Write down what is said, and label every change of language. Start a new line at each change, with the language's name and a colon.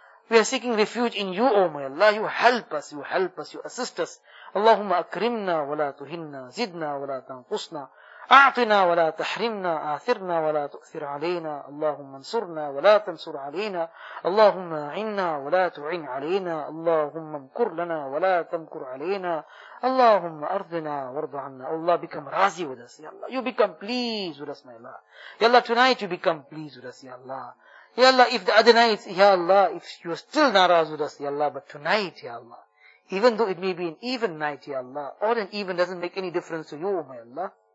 English: We are seeking refuge in you, oh my Allah. You help us, you help us, you assist us.
Arabic: اللهم اکرمنا ولا تهنا زدنا ولا تنقصنا اعطنا ولا تحرمنا آثرنا ولا تؤثر علينا. اللهم انصرنا ولا تنصر علينا. اللهم عنا ولا تعن علينا. اللهم امكر لنا ولا تمكر علينا. اللهم ارضنا وارض عنا.
English: Allah, become razi with us, Ya Allah. You become pleased with us, my Allah. Ya Allah, tonight you become pleased with us, Ya Allah. Ya Allah, if the other nights, Ya Allah, if you are still naraz with us, Ya Allah, but tonight, Ya Allah, even though it may be an even night, Ya Allah, odd and even doesn't make any difference to you, my Allah.